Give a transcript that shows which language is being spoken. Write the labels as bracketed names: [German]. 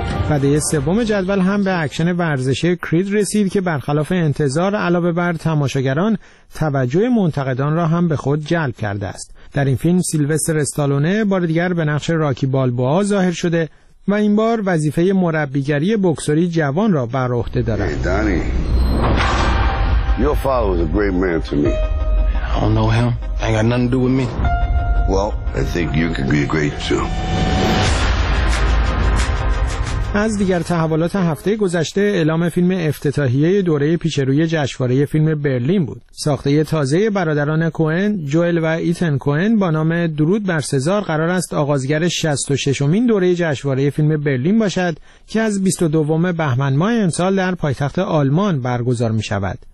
[Persian] بعدی سوم جدول هم به اکشن ورزشی کرید رسید که برخلاف انتظار علاوه بر تماشاگران توجه منتقدان را هم به خود جلب کرده است. در این فیلم سیلوستر استالونه بار دیگر به نقش راکی بالبوا ظاهر شده و این بار وظیفه مربیگری بکسوری جوان را بر عهده دارد. [English] Hey, Donnie. Your father was a great man to me. I don't know him. Ain't got nothing to do with me. Well, I think you could be great too. [Persian] از دیگر تحولات هفته گذشته اعلام فیلم افتتاحیه دوره پیشروی جشنواره فیلم برلین بود. ساخته تازه برادران کوئن، جوئل و ایتن کوئن با نام درود بر سزار قرار است آغازگر 66مین دوره جشنواره فیلم برلین باشد که از 22 بهمن ماه امسال در پایتخت آلمان برگزار می شود.